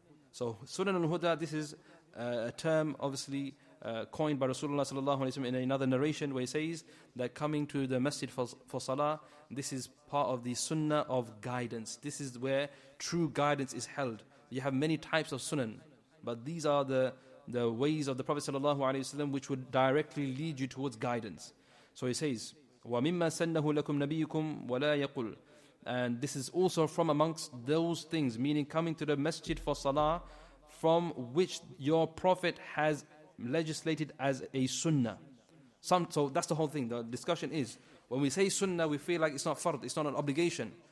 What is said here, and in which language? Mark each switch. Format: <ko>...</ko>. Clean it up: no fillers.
<en>So Sunan al-Huda, this is a term obviously coined by Rasulullah sallallahu alaihi wasallam in another narration, where he says that coming to the masjid for salah, this is part of the sunnah of guidance. This is where true guidance is held. You have many types of sunan, but these are the ways of the Prophet sallallahu alaihi wasallam which would directly lead you towards guidance. So he says,</en> <ar>وَمِمَّا سَنَّهُ لَكُمْ نَبِيُّكُمْ وَلَا يَقُلْ.</ar> <en>And this is also from amongst those things, meaning coming to the masjid for salah, from which your Prophet has legislated as a sunnah. So that's the whole thing. The discussion is, when we say sunnah, we feel like it's not fard, it's not an obligation.</en>